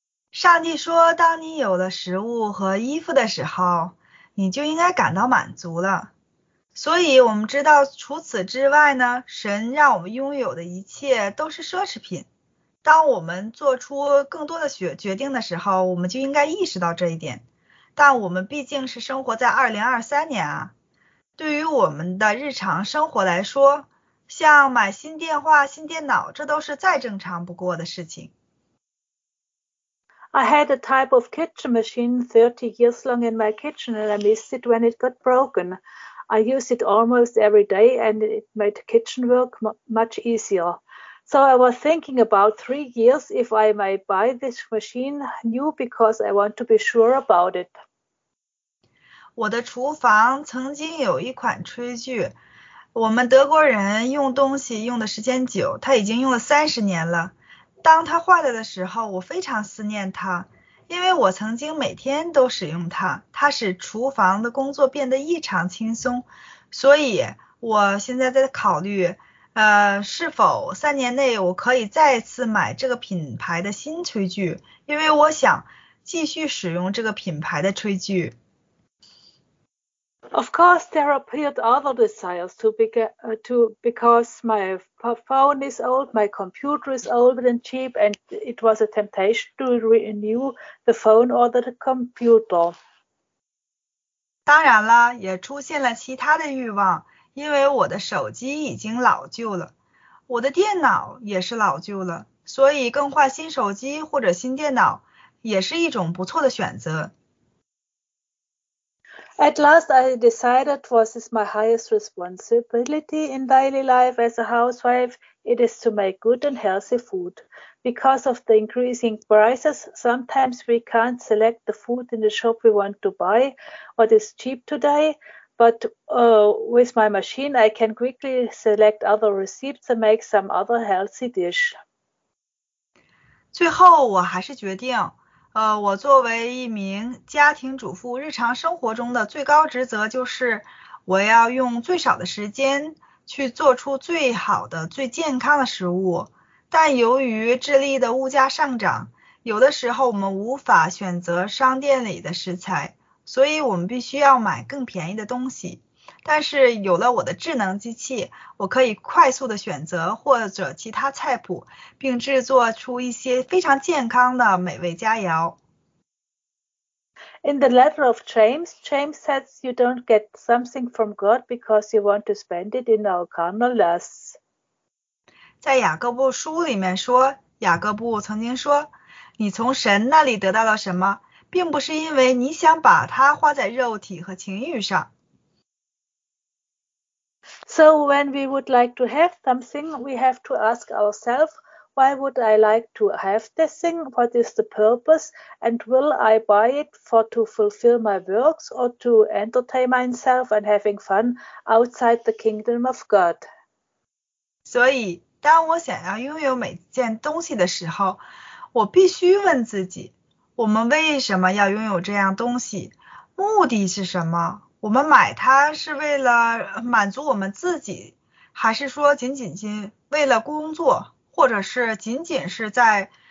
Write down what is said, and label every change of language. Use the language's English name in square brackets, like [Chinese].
[Chinese] 上帝说，当你有了食物和衣服的时候，你就应该感到满足了。所以我们知道除此之外呢，神让我们拥有的一切都是奢侈品。当我们做出更多的决定的时候，我们就应该意识到这一点。但我们毕竟是生活在2023年啊。对于我们的日常生活来说，像买新电话、新电脑，这都是再正常不过的事情。 [English] I had a type of kitchen machine 30 years long in my kitchen and I missed it when it got broken. I use it almost every day and it made kitchen work much easier. So I was thinking about 3 years if I may buy this machine new because I want to be sure about it. [Chinese] 我的厨房曾经有一款炊具，我们德国人用东西用的时间久，它已经用了30年了。当它坏了的时候，我非常思念它，因为我曾经每天都使用它，它使厨房的工作变得异常轻松，所以我现在在考虑，是否3年内我可以再次买这个品牌的新炊具，因为我想继续使用这个品牌的炊具。 [English] Of course, there appeared other desires because my phone is old, my computer is old and cheap, and it was a temptation to renew the phone or the computer. [Chinese] 当然了，也出现了其他的欲望，因为我的手机已经老旧了，我的电脑也是老旧了，所以更换新手机或者新电脑也是一种不错的选择。 [English] At last, I decided what is my highest responsibility in daily life as a housewife. It is to make good and healthy food. Because of the increasing prices, sometimes we can't select the food in the shop we want to buy, what is cheap today. But with my machine, I can quickly select other recipes and make some other healthy dish. [Chinese] 最后，我还是决定。我作为一名家庭主妇，日常生活中的最高职责就是我要用最少的时间去做出最好的、最健康的食物。但由于智利的物价上涨，有的时候我们无法选择商店里的食材，所以我们必须要买更便宜的东西。但是有了我的智能机器，我可以快速的选择或者其他菜谱，并制作出一些非常健康的美味佳肴。 [English] In the letter of James, James says you don't get something from God because you want to spend it in our carnal lusts. [Chinese] 在雅各布书里面说，雅各布曾经说，你从神那里得到了什么，并不是因为你想把它花在肉体和情欲上。 [English] So when we would like to have something, we have to ask ourselves, why would I like to have this thing? What is the purpose? And will I buy it for to fulfill my works or to entertain myself and having fun outside the kingdom of God? [Chinese] 所以当我想要拥有每件东西的时候，我必须问自己，我们为什么要拥有这样东西？目的是什么？我们买它是为了满足我们自己，还是说仅仅为了工作，或者是仅仅是在